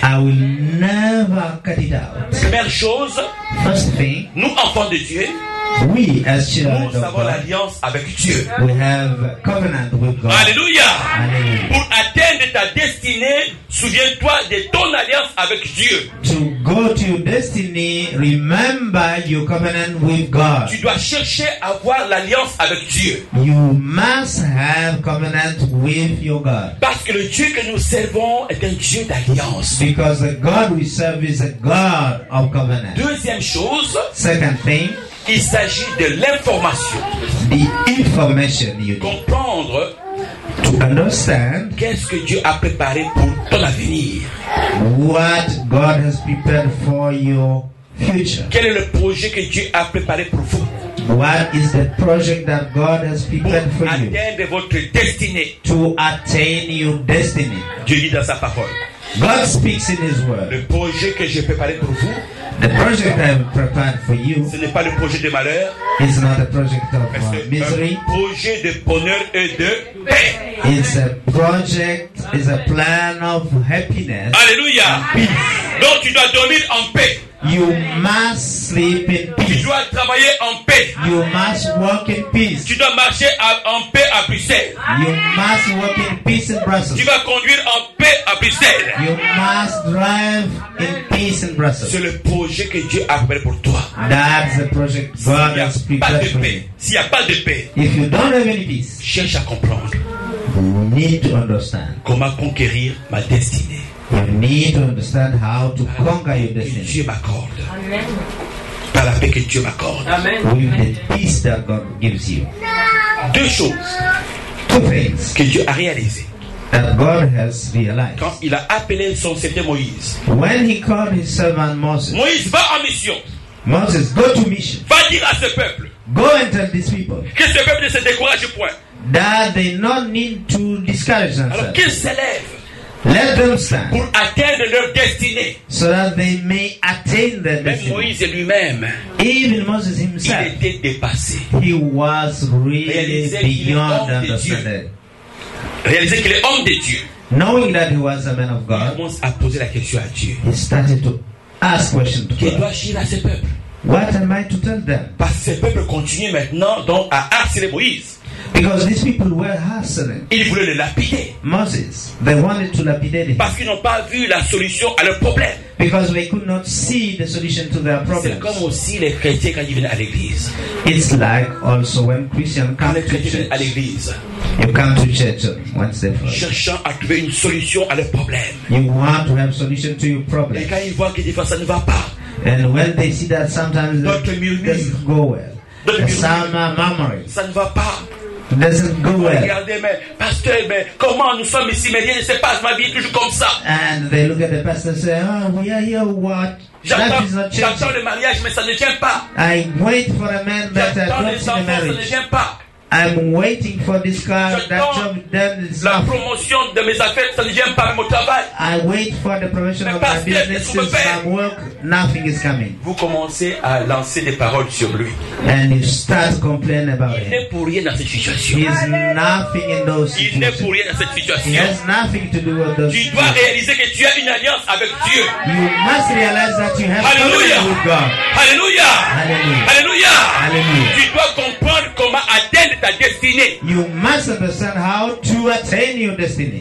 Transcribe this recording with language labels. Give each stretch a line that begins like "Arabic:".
English: I will never cut it out.
French: Première chose.
English: First thing.
French: Nous enfants de Dieu.
English: We as children
French: nous avons l'alliance avec Dieu.
English: We have covenant with God.
French: Alléluia. Pour atteindre ta destinée, souviens-toi de ton alliance avec Dieu.
English: To go to your destiny, remember your covenant with God.
French: Tu dois chercher à avoir l'alliance avec Dieu.
English: You must have covenant with your God.
French: Parce que le Dieu que nous servons est un Dieu d'alliance.
English: Because the God we serve is a God of covenant.
French: Deuxième chose.
English: Second thing.
French: Il s'agit de l'information.
English: The information you
French: need. Comprendre.
English: To understand.
French: Qu'est-ce que Dieu a préparé pour ton avenir?
English: What God has prepared for your future?
French: Quel est le projet que Dieu a préparé pour vous?
English: What is the project that God has prepared
French: pour
English: for you?
French: Pour atteindre votre destinée.
English: To attain your destiny.
French: Dieu dit dans sa parole.
English: God speaks in His word.
French: Le projet que j'ai préparé pour vous.
English: The project I've prepared for you.
French: Ce n'est pas le projet de malheur.
English: It's not a project of misery.
French: Un projet de bonheur et de paix.
English: It's a project. It's a plan of happiness.
French: Alléluia. Donc tu dois dormir en paix.
English: You must sleep in peace.
French: Tu dois travailler en paix.
English: You must walk in peace.
French: Tu dois marcher en paix à Bruxelles.
English: You must walk in peace in Brussels.
French: Tu vas conduire en paix à Bruxelles.
English: You must drive in peace in Brussels.
French: C'est le projet que Dieu a préparé pour toi.
English: That's the project God has prepared for you.
French: S'il n'y a pas de paix,
English: if you don't have any peace,
French: cherche à comprendre.
English: You need to understand.
French: Comment conquérir ma destinée?
English: You need to understand how to conquer your destiny.
French: Dieu m'accorde. Par la paix que Dieu m'accorde.
English: Amen. With the peace that God gives you.
French: Deux choses.
English: Two things.
French: Que Dieu a réalisé.
English: That God has realized.
French: Quand il a appelé son serviteur Moïse.
English: When he called his servant Moses.
French: Moïse va en mission.
English: Moses, go to mission.
French: Va dire à ce peuple.
English: Go and tell these people.
French: Que ce peuple ne se décourage point.
English: That they not need to discourage themselves.
French: Alors qu'ils s'élèvent.
English: Let them stand.
French: Pour atteindre leur destinée.
English: So that they may attain their destiny.
French: Même Moïse lui-même.
English: Even Moses himself.
French: Il était dépassé.
English: He was really beyond understanding.
French: Réaliser qu'il est homme de Dieu.
English: Knowing that he was a man of God.
French: Il commence à poser la question à Dieu.
English: He started to ask questions to God.
French: Que dois-je dire à ce peuple?
English: What am I to tell them?
French: Parce que ce peuple continue maintenant donc à harceler Moïse.
English: Because these people were hustling.
French: Ils voulaient le lapider.
English: Moses, they wanted to lapidate him.
French: Parce qu'ils n'ont pas vu la solution à leur problème.
English: Because they could not see the solution to their problems.
French: C'est comme aussi les chrétiens quand ils viennent à l'église.
English: It's like also when Christians come to church.
French: À l'église.
English: You come to church once
French: a cherchant à trouver une solution à leur problème.
English: You want to have solution to your problem.
French: Et quand ils voient que des fois ça ne va pas.
English: And when they see that sometimes it doesn't go well. Some murmuring.
French: Ça ne va pas.
English: It doesn't go well.
French: Regardez, mais, pasteur, mais comment nous sommes ici, mais rien ne se passe, ma vie est toujours comme ça.
English: And they look at the pastor and say, oh, we are here, what?
French: J'attends le mariage, mais ça ne vient pas.
English: I wait for a man that I don't see the marriage.
French: Ça ne vient pas.
English: I'm waiting for this car that job done is
French: la promotion de mes affaires, ça ne vient pas à mon travail.
English: I wait for the promotion
French: mais
English: of pasteur, my business to my work, nothing is coming.
French: Vous commencez à lancer des paroles sur lui.
English: And you start complaining about
French: il Il n'est pour rien dans cette situation.
English: He is nothing in those
French: il
English: situations.
French: Il n'est pour rien dans cette situation.
English: He has nothing to do with those
French: tu
English: situations.
French: Tu dois réaliser que tu as une alliance avec Dieu.
English: You must realize that you have a covenant with God. Hallelujah. Hallelujah. Hallelujah. Hallelujah.
French: Tu dois comprendre comment atteindre ta destinée.
English: You must understand how to attain your destiny.